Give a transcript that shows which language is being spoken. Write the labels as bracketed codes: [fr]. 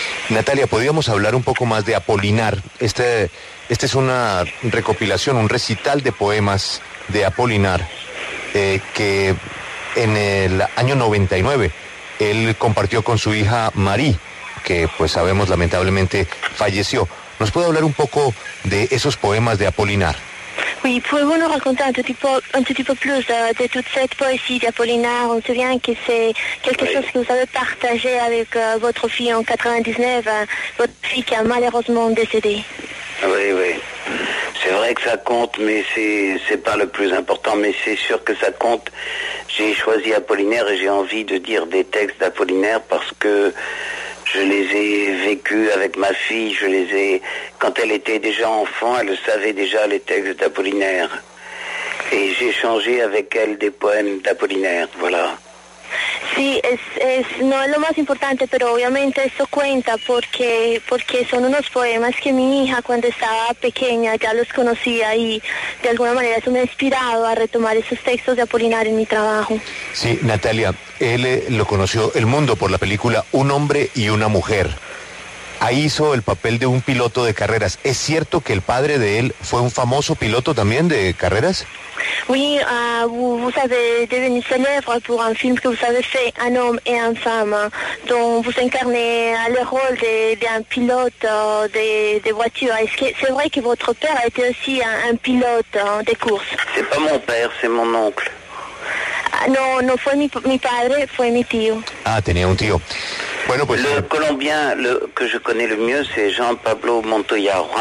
[es] Natalia, ¿podríamos hablar un poco más de Apolinar? Este es una recopilación, un recital de poemas de Apolinar que en el año 99 él compartió con su hija Marie, que pues sabemos lamentablemente falleció. ¿Nos puede hablar un poco de esos poemas de Apolinar? [fr] Oui, pouvez-vous nous raconter un petit peu plus de toute cette poésie d'Apollinaire? On se souvient que c'est quelque chose que vous avez partagé avec votre fille en 99, votre fille qui a malheureusement décédé. Oui, oui. C'est vrai que ça compte, mais c'est pas le plus important, mais c'est sûr que ça compte. J'ai choisi Apollinaire et j'ai envie de dire des textes d'Apollinaire parce que je les ai vécus avec ma fille, quand elle était déjà enfant, elle savait déjà les textes d'Apollinaire. Et j'ai changé avec elle des poèmes d'Apollinaire, voilà. [es] Sí, es no es lo más importante, pero obviamente esto cuenta porque son unos poemas que mi hija cuando estaba pequeña ya los conocía y de alguna manera eso me ha inspirado a retomar esos textos de Apolinar en mi trabajo. Sí, Natalia, él lo conoció el mundo por la película Un hombre y una mujer. Ahí hizo el papel de un piloto de carreras. ¿Es cierto que el padre de él fue un famoso piloto también de carreras? [fr] Oui, vous avez devenu célèbre pour un film que vous avez fait, Un homme et une femme, dont vous incarnez le rôle d'un pilote de voiture. Est-ce que c'est vrai que votre père a été aussi un pilote de course? C'est pas mon père, c'est mon oncle. [es] No fue mi padre, fue mi tío. Ah, tenía un tío. Bueno, pues [fr] Colombien que je connais le mieux, c'est Juan Pablo Montoya.